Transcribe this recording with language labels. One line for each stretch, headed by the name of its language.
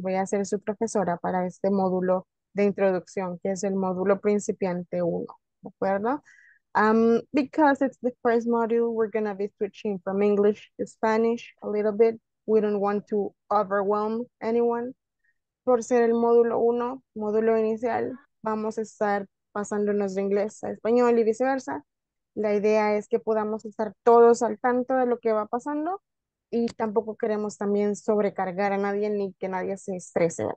Spanish: Voy a ser su profesora para este módulo de introducción, que es el módulo principiante 1, ¿de acuerdo?
English: Because it's the first module, we're gonna be switching from English to Spanish a little bit. We don't want to overwhelm anyone.
Spanish: Por ser el módulo 1, módulo inicial, vamos a estar pasándonos de inglés a español y viceversa. La idea es que podamos estar todos al tanto de lo que va pasando y tampoco queremos también sobrecargar a nadie ni que nadie se estrese.